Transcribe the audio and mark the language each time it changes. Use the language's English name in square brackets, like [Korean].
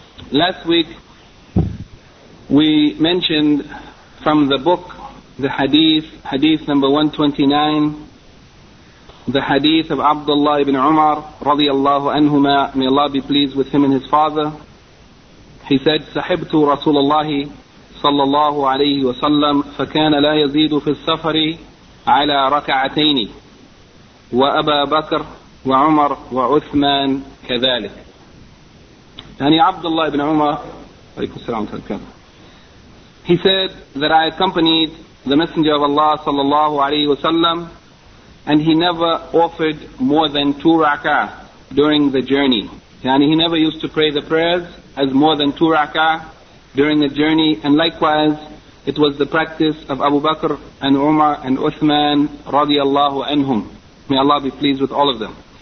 [English] Last week, we mentioned from the book, the hadith number 129, the hadith of Abdullah ibn Umar, radiallahu anhuma, may Allah be pleased with him and his father. He said, [Arabic] Sahibtu Rasulullah صلى الله عليه وسلم فكان لا يزيد في السفر على ركعتين وأبا بكر وعمر وعثمان كذلك. يعني عبد الله بن عمر عليكم السلام عليكم. [English] He said that I accompanied the Messenger of Allah صلى الله عليه وسلم and he never offered more than two rak'ah during the journey. يعني he never used to pray the prayers as more than two rak'ah during the journey, and likewise it was the practice of Abu Bakr and Umar and Uthman radiallahu anhum, may Allah be pleased with all of them.